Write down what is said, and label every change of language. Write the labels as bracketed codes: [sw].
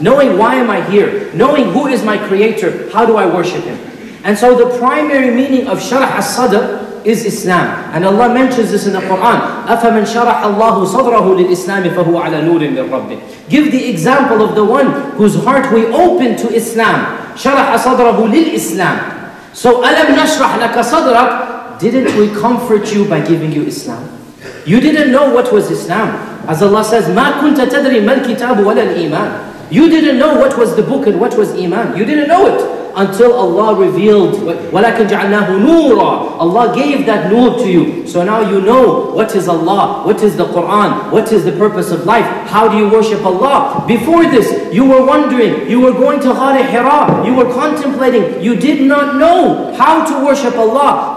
[en] Knowing why am I here. Knowing who is my creator. How do I worship him? And so the primary meaning of sharah al-sadr is Islam. And Allah mentions this in the Quran. [ar] أَفَمَنْ شَرَحَ اللَّهُ صَدْرَهُ لِلْإِسْلَامِ فَهُوَ عَلَى نُورٍ مِنْ رَبِّهِ. [en] Give the example of the one whose heart we open to Islam. [ar] شَرَحَ صَدْرَهُ لِلْإِسْلَامِ. So أَلَمْ نَشْرَحْ لَكَ صَدْرَكَ. [en] Didn't we comfort you by giving you Islam? You didn't know what was Islam. As Allah says, [ar] مَا كُنْتَ تَدْرِي مَا الْكِتَابُ وَلَا الْإِيمَانِ. [en] You didn't know what was the book and what was Iman. You didn't know it until Allah revealed. [ar] وَلَكَنْ جَعَلْنَاهُ نُورًا. [en] Allah gave that nur to you. So now you know what is Allah, what is the Quran, what is the purpose of life, how do you worship Allah. Before this, you were wondering, you were going to Ghar Hira, you were contemplating, you did not know how to worship Allah.